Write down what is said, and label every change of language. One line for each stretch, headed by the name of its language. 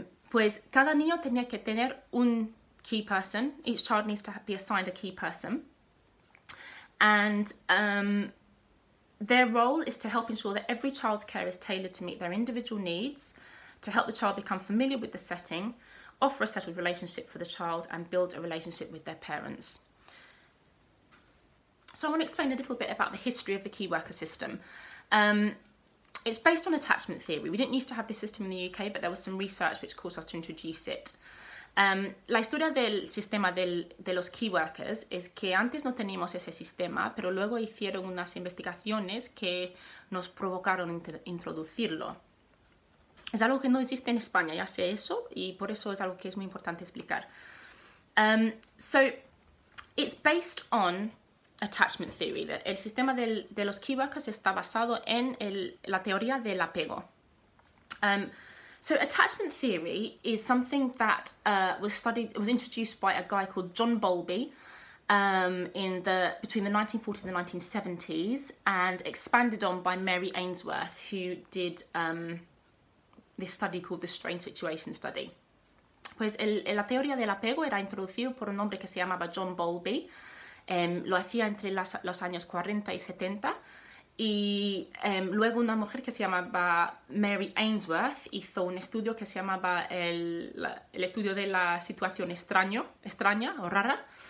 Spanish: Pues cada niño tenía que tener un key person.
English: Each child needs to be assigned a key person. And their role is to help ensure that every child's care is tailored to meet their individual needs, to help the child become familiar with the setting, offer a settled relationship for the child, and build a relationship with their parents. So I want to explain a little bit about the history of the key worker system. It's based on attachment theory. We didn't used to have this system in the UK, but there was some research which caused us to introduce it.
Spanish: La historia del sistema de los key workers es que antes no teníamos ese sistema, pero luego hicieron unas investigaciones que nos provocaron introducirlo. Es algo que no existe en España, ya sé eso, y por eso es algo que es muy importante explicar.
English: So, it's based on attachment theory.
Spanish: El sistema de los key workers está basado en la teoría del apego.
English: So attachment theory is something that was introduced by a guy called John Bowlby between the 1940s and the 1970s, and expanded on by Mary Ainsworth, who did this study called the Strain Situation Study.
Spanish: Pues la teoría del apego era introducido por un hombre que se llamaba John Bowlby. Lo hacía entre los años 40 y 70. Y luego una mujer que se llamaba Mary Ainsworth hizo un estudio que se llamaba el estudio de la situación extraña o rara.